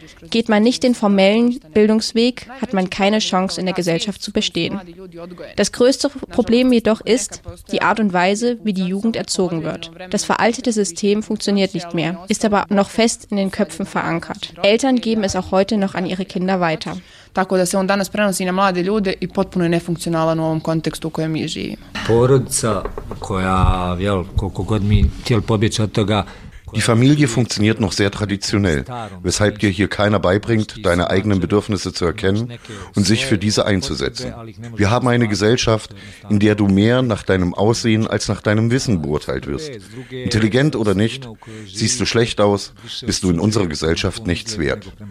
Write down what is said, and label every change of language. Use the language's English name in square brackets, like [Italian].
[German] Geht man nicht den formellen Bildungsweg, hat man keine Chance, in der Gesellschaft zu bestehen. Das größte Problem jedoch ist die Art und Weise, wie die Jugend erzogen wird. Das veraltete System funktioniert nicht mehr, ist aber noch fest in den Köpfen verankert. Eltern geben es auch heute noch an ihre Kinder weiter. [Bosnian] Tako da se on danas prenosi na mlade ljude i potpuno je nefunkcionalan u ovom kontekstu u kojem mi živimo. Porodica koja, jel, koliko god mi htjeli pobjeći od toga. [German] Die Familie funktioniert noch sehr traditionell, weshalb dir hier keiner beibringt, deine eigenen Bedürfnisse zu erkennen und sich für diese einzusetzen. Wir haben eine Gesellschaft, in der du mehr nach deinem Aussehen als nach deinem Wissen beurteilt wirst. Intelligent oder nicht, siehst du schlecht aus, bist du in unserer Gesellschaft nichts wert.